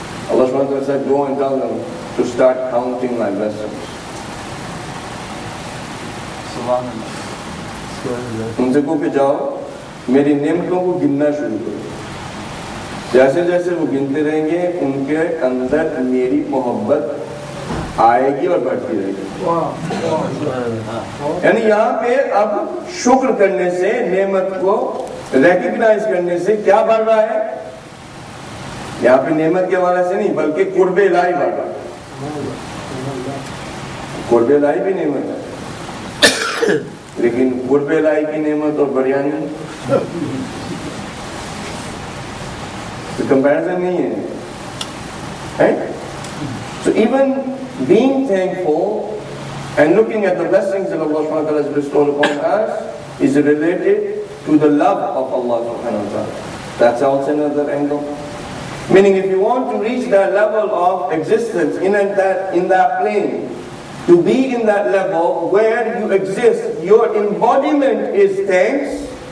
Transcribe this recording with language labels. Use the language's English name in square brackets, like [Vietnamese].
[English] اللہ سبحانہ وتعالیٰ said, go and tell them to start counting my blessings. [Urdu] ان سے کہو کہ جاؤ میری نعمتوں کو گننا شروع کرو. جیسے جیسے وہ گنتے رہیں گے ان کے اندر میری محبت آئے گی اور بڑھتی رہے گی. یعنی یہاں پہ اب شکر کرنے سے نعمت کو ریکگنائز کرنے سے کیا بڑھ رہا ہے, یہاں پہ نعمت کے حوالے سے نہیں بلکہ قرب الہی بڑھ رہا ہے. قرب الہی بھی نعمت ہے لیکن قرب الہی کی نعمت اور بریانی کمپیرزن نہیں ہے. [English] So even being thankful and looking at the blessings that Allah subhanahu wa ta'ala has bestowed upon us is related to the love of Allah subhanahu wa ta'ala. That's also another angle. Meaning if you want to reach that level of existence in that plane, to be in that level where you exist, your embodiment is thanks.